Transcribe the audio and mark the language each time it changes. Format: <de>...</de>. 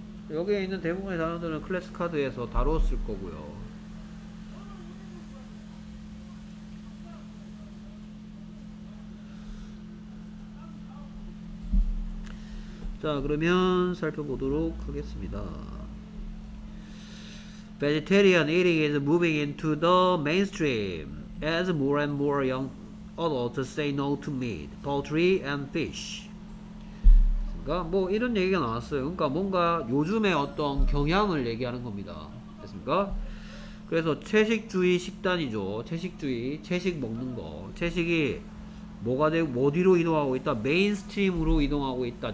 <ko>여기에 있는 대부분의 단어들은 클래스 카드에서 다루었을 거고요. 자, 그러면 살펴보도록 하겠습니다.</ko> <en>Vegetarian eating is moving into the mainstream as more and more young adults say no to meat, poultry, and fish.</en> <ko>그러니까 뭐 이런 얘기가 나왔어요. 그러니까 뭔가 요즘의 어떤 경향을 얘기하는 겁니다. 됐습니까? 그래서 채식주의 식단이죠. 채식주의, 채식 먹는 거. 채식이 뭐가 되고 어디로 이동하고 있다? 메인스트림으로 이동하고 있다.</ko>